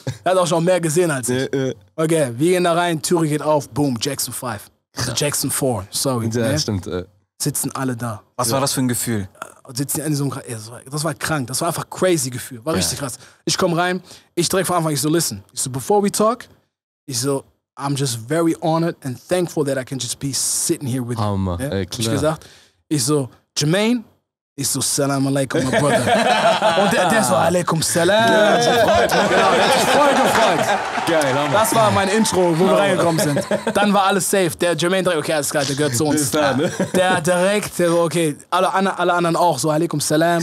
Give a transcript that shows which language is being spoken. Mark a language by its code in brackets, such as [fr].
[de] Er hat auch schon mehr gesehen als ich. Okay, wir gehen da rein, Türe geht auf, boom, Jackson 5. Also Jackson 4, sorry. Ja, ne? Stimmt. Sitzen alle da. Was war das für ein Gefühl? Sitzen in so einem, das war krank, das war einfach crazy Gefühl. War richtig krass. Ich komme rein, ich direkt von Anfang, ich so, listen. Ich so, [en] before we talk, [de] ich so, [en] I'm just very honored and thankful that I can just be sitting here with you. [de] Ne? Ich gesagt, ich so, Jermaine, ich so, [ar] Salam alaikum, [en] my brother. [de] Und der so, [ar] alaikum salam. [de] Voll gefreut. Geil, Hammer. Das war mein Intro, wo wir reingekommen sind. Dann war alles safe. Der Jermaine direkt, okay, alles klar, der gehört zu uns. Der okay, alle anderen auch so, [ar] alaikum salam.